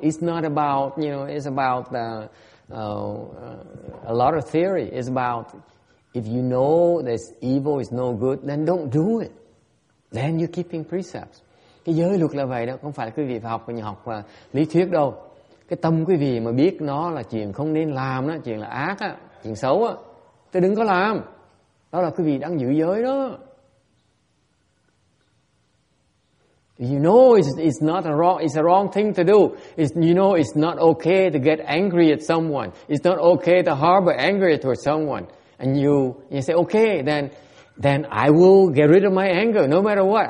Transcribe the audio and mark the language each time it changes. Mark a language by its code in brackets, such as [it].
[en] It's not about, you know, it's about a lot of theory. It's about if you know this evil is no good, then don't do it. Then you're keeping precepts. [vi] Cái giới luật là vậy đó, không phải là quý vị phải học và học lý thuyết đâu. Cái tâm quý vị mà biết nó là chuyện không nên làm đó, chuyện là ác á, chuyện xấu á, thì đừng có làm. Đó là quý vị đang giữ giới đó. [en] You know it's not a wrong, it's a wrong thing to do. It's, you know it's not okay to get angry at someone. It's not okay to harbor anger towards someone. And you say, okay, then I will get rid of my anger no matter what.